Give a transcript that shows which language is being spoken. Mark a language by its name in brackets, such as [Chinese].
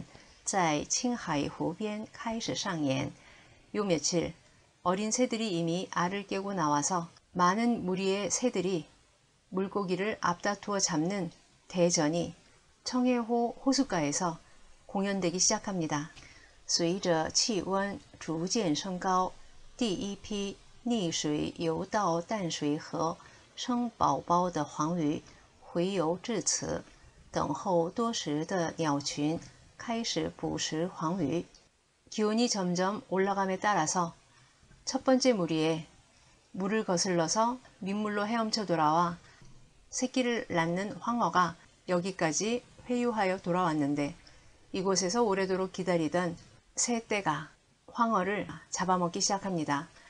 [Chinese] 这几天幼鸟已经出壳，一场群鸟抢鱼大战在青海湖边开始上演。 [Korean] 요 며칠 어린 새들이 이미 알을 깨고 나와서 많은 무리의 새들이 물고기를 앞다투어 잡는 대전이 청해호 호숫가에서 공연되기 시작합니다. [Chinese] 随着气温逐渐升高，第一批溺水游到淡水河生宝宝的黄鱼洄游至此，等候多时的鸟群开始捕食黄鱼。 [Korean] 기온이 점점 올라감에 따라서 첫 번째 무리에 물을 거슬러서 민물로 헤엄쳐 돌아와 새끼를 낳는 황어가 여기까지 회유하여 돌아왔는데 이곳에서 오래도록 기다리던 새 떼가 황어를 잡아먹기 시작합니다.